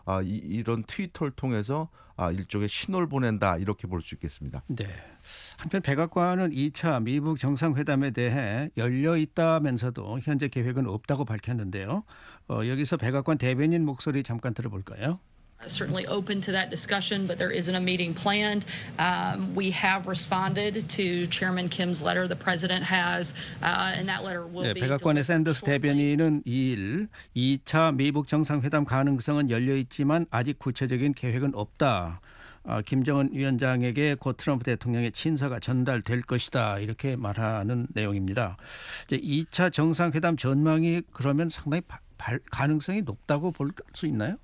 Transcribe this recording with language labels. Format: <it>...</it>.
<ko>이런 트위터를 통해서 일종의 신호를 보낸다 이렇게 볼 수 있겠습니다. 네. 한편 백악관은 2차 미북 정상회담에 대해 열려있다면서도 현재 계획은 없다고 밝혔는데요. 여기서 백악관 대변인 목소리 잠깐 들어볼까요?</ko> <en>Certainly open to that discussion, but there isn't a meeting planned. We have responded to Chairman Kim's letter. The president has, and that letter will</en> <ko>네,</ko> <en>be.</en> <ko>백악관의 샌더스 대변인은 2일 2차 미북 정상회담 가능성은 열려 있지만 아직 구체적인 계획은 없다. 김정은 위원장에게 곧 트럼프 대통령의 친서가 전달될 것이다 이렇게 말하는 내용입니다. 이제 2차 정상회담 전망이 그러면 상당히 가능성이 높다고 볼 수 있나요?</ko>